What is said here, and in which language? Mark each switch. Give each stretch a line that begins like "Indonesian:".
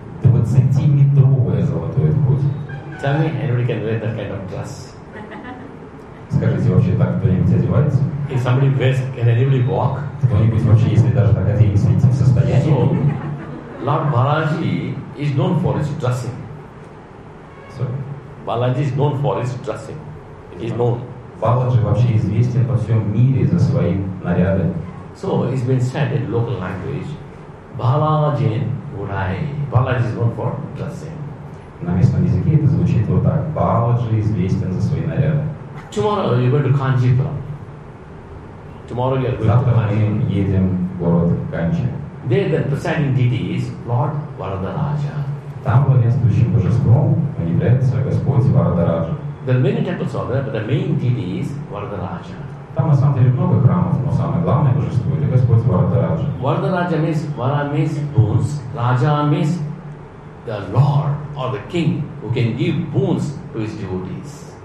Russian: Ты вот сантиметровая золотой путь.
English: Tell me, anybody can wear that kind of dress.
Russian: Скажите, вообще так кто-нибудь одевается?
English: If somebody wears, can anybody walk?
Russian: Кто-нибудь вообще, если даже так одеться, идти в состоянии?
English: So, Lord Balaji is known for his dressing. Sorry? Balaji is known for his dressing. It is known.
Russian: Баладжи вообще известен во всем мире за свои наряды.
English: So, it's been said in local language, Balaji Urai. Balaji is known for dressing.
Russian: На местном языке это звучит вот так. Баладжи известен за свои наряды.
English: Tomorrow you're going to Kanchipuram. Tomorrow you're going
Russian: Завтра
English: to Kanchipuram.
Russian: Завтра мы едем в город Канчи.
English: There the presiding deity is Lord Varadaraja.
Russian: Там владенствующим божеством является Господь Варадараджа.
English: There are many temples over there, but the main deity is Varadaraja.
Russian: Там на самом деле много храмов, но самое главное божество это Господь Варадараджа.
English: Varadaraja means, Vara means boons. Raja means the Lord or the King who can give boons to his devotees.